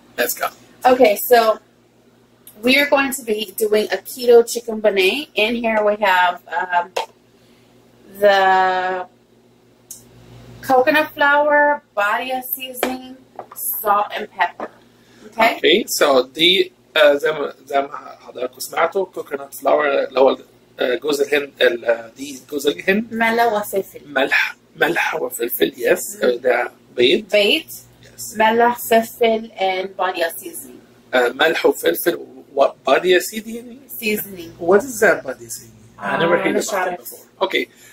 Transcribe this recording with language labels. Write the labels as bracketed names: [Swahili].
[English] Let's go. Okay, so we are going to be doing a keto chicken bonnet. In here we have the coconut flour, badia seasoning, salt and pepper. Okay. Okay. So the [Arabic] زي ما حضراتكم سمعتوا coconut flour اللي هو جوز الهند, دي جوز الهند. ملح وفلفل. ملح وفلفل. [English] Yes. [Arabic] ده بيض. بيض. [English] Yes. [Arabic] ملح فلفل and badia seasoning. ملح وفلفل وbadia seasoning. [English] Seasoning. What is that badia seasoning? I never heard about it before. Okay.